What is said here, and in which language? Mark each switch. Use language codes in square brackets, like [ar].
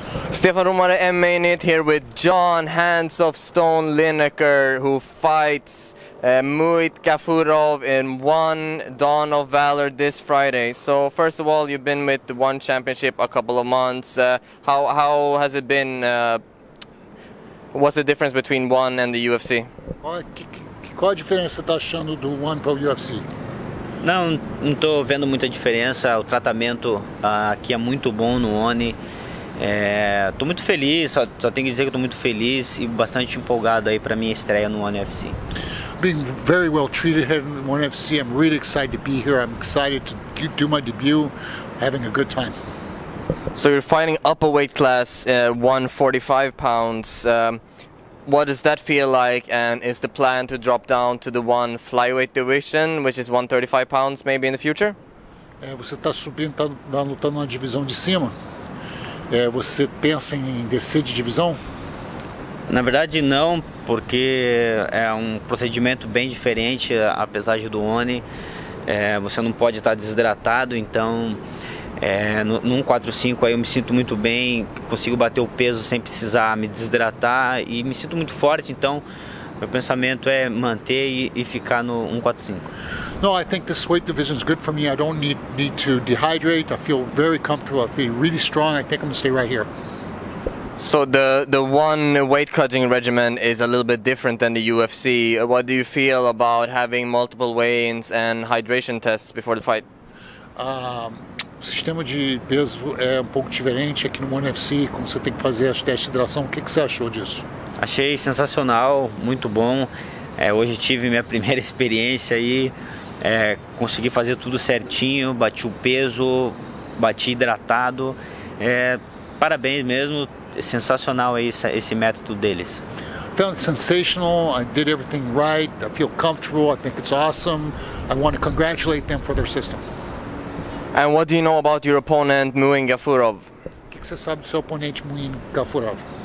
[en] Stefan Romare, MMA Nate here with John Hands of Stone Lineker, who fights Muit Gafurov in One Dawn of Valor this Friday. So first of all, you've been with the One Championship a couple of months. How has it been? What's the difference between One and the UFC? [pt] Qual a diferença tá achando do One para o UFC? Não, não estou vendo muita diferença. O tratamento aqui é muito bom no One. Estou muito feliz, só tenho que dizer que estou muito feliz e bastante empolgado aí para minha estreia no One UFC. [en] Being very well treated here in the One UFC, I'm really excited to be here. I'm excited to do my debut, having a good time. So you're fighting up a weight class, 145 pounds. What does that feel like, and is the plan to drop down to the One flyweight division, which is 135 pounds maybe in the future? [pt] Você está subindo, tá lutando na divisão de cima. Você pensa em descer de divisão? Na verdade não, porque é um procedimento bem diferente, apesar de do ONE. Você não pode estar desidratado, então num 4-5 aí eu me sinto muito bem, consigo bater o peso sem precisar me desidratar e me sinto muito forte, então meu pensamento é manter e ficar no 145. [en] No, I think this weight division is good for me. I don't need to dehydrate. I feel very comfortable. I feel really strong. I think I'm gonna stay right here. So the one weight cutting regimen is a little bit different than the UFC. What do you feel about having multiple weigh-ins and hydration tests before the fight? [pt] O sistema de peso é um pouco diferente aqui no UFC, como você tem que fazer as testes de hidratação. O que você achou disso? Achei sensacional, muito bom. Hoje tive minha primeira experiência aí, consegui fazer tudo certinho, bati o peso, bati hidratado. Parabéns mesmo, sensacional aí esse método deles. [en] Found it sensational. I did everything right. I feel comfortable. I think it's awesome. I want to congratulate them for their system. And what do you know about your opponent, Muin Gafurov? [pt] O que você sabe do seu oponente, Muin Gafurov?